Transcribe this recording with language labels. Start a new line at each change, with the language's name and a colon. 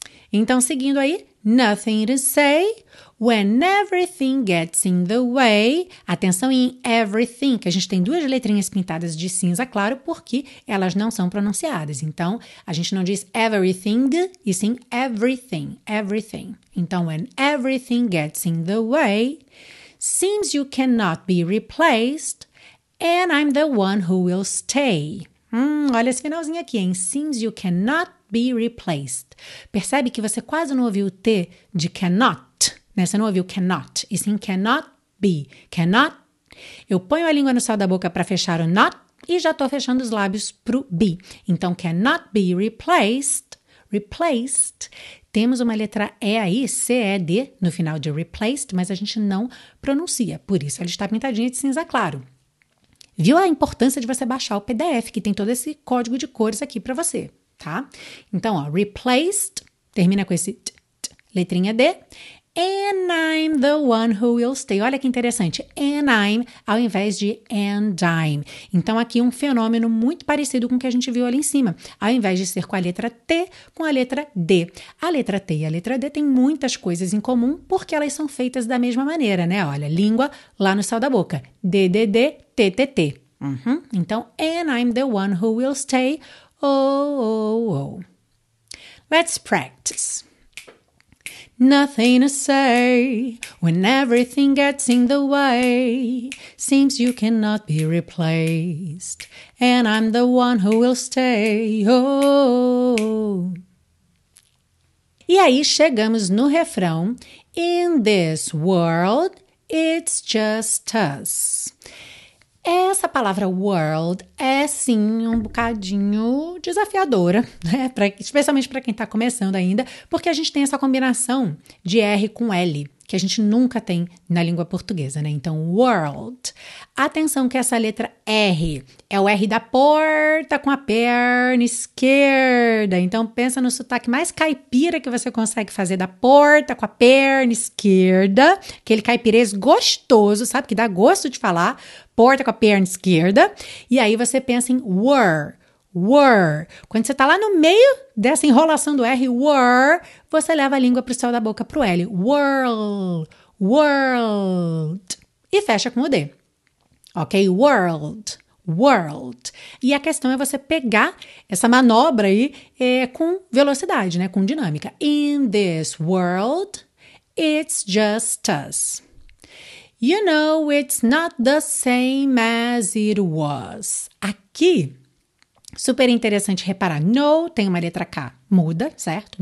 Portuguese: Então, seguindo aí,
English: nothing to say, when everything gets in the way.
Portuguese: Atenção em everything, que a gente tem duas letrinhas pintadas de cinza, claro, porque elas não são pronunciadas. Então, a gente não diz everything, e sim everything, everything.
English: Então, when everything gets in the way, seems you cannot be replaced, and I'm the one who will stay.
Portuguese: Olha esse finalzinho aqui, hein?
English: Seems you cannot be replaced.
Portuguese: Percebe que você quase não ouviu o T de cannot, né? Você não ouviu cannot, e sim cannot be. Cannot. Eu ponho a língua no céu da boca para fechar o not e já estou fechando os lábios para o be.
English: Então, cannot be replaced. Replaced.
Portuguese: Temos uma letra E aí, C-E-D, no final de replaced, mas a gente não pronuncia. Por isso, ela está pintadinha de cinza claro. Viu a importância de você baixar o PDF, que tem todo esse código de cores aqui para você, tá? Então, ó, replaced, termina com esse t, t, letrinha D.
English: And I'm the one who will stay.
Portuguese: Olha que interessante, and I'm ao invés de and I'm. Então, aqui um fenômeno muito parecido com o que a gente viu ali em cima. Ao invés de ser com a letra T, com a letra D. A letra T e a letra D têm muitas coisas em comum, porque elas são feitas da mesma maneira, né? Olha, língua lá no céu da boca. D, D, D, T, T, T. Uhum.
English: Então, and I'm the one who will stay. Oh, oh, oh. Let's practice. Nothing to say when everything gets in the way. Seems you cannot be replaced, and I'm the one who will stay.
Portuguese: Oh. E aí chegamos no refrão.
English: In this world, it's just us.
Portuguese: Essa palavra world é, sim, um bocadinho desafiadora, né? Especialmente para quem está começando ainda, porque a gente tem essa combinação de R com L, que a gente nunca tem na língua portuguesa, né? Então, world. Atenção que essa letra R é o R da porta com a perna esquerda. Então, pensa no sotaque mais caipira que você consegue fazer da porta com a perna esquerda. Aquele caipirês gostoso, sabe? Que dá gosto de falar. Porta com a perna esquerda. E aí você pensa em were, were. Quando você tá lá no meio dessa enrolação do R, were, você leva a língua pro céu da boca, pro L. World, world. E fecha com o D. Ok?
English: World, world.
Portuguese: E a questão é você pegar essa manobra aí com velocidade, né? Com dinâmica.
English: In this world, it's just us. You know, it's not the same as it was.
Portuguese: Aqui, super interessante reparar. No, tem uma letra K, muda, certo?